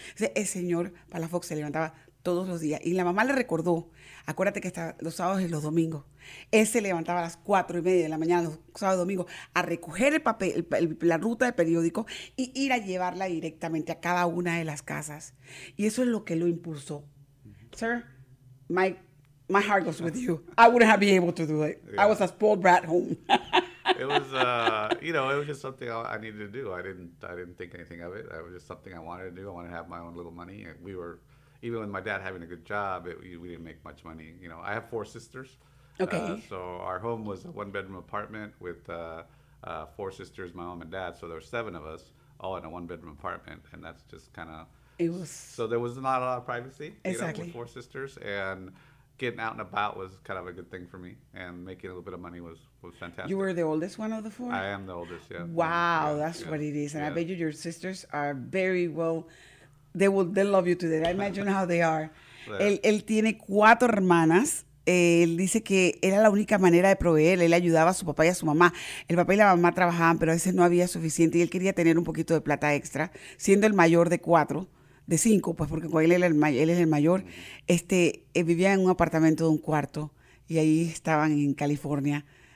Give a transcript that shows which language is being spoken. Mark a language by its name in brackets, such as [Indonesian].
[Spanish] Entonces, el señor Palafox se levantaba todos los días. Y la mamá le recordó, acuérdate que está los sábados y los domingos. Él se levantaba a las 4:30 de la mañana, los sábados y domingos, a recoger el papel, la ruta de periódico y ir a llevarla directamente a cada una de las casas. Y eso es lo que lo impulsó. [English] Sir, my heart goes with you. I wouldn't have been able to do it. Yeah. I was a spoiled brat home. It was just something I needed to do. I didn't think anything of it. It was just something I wanted to do. I wanted to have my own little money. And even with my dad having a good job, we didn't make much money. You know, I have 4 sisters. Okay. So our home was a 1-bedroom apartment with 4 sisters, my mom and dad. So there were 7 of us all in a 1-bedroom apartment. And that's just kind of... It was... So there was not a lot of privacy. Exactly. You know, with 4 sisters. And getting out and about was kind of a good thing for me. And making a little bit of money was fantastic. You were the oldest one of the 4? I am the oldest, yeah. Wow, yeah, that's what it is. And yeah. I bet you your sisters are very well... They love you today. I imagine how they are. [Spanish] Él tiene 4 hermanas. Él dice que era la única manera de proveer. Él ayudaba a su papá y a su mamá. El papá y la mamá trabajaban, pero a veces no había suficiente y él quería tener un poquito de plata extra, siendo el mayor de 4, de 5, pues porque con él es el mayor. Él vivía en un apartamento de 1 cuarto y ahí estaban en California.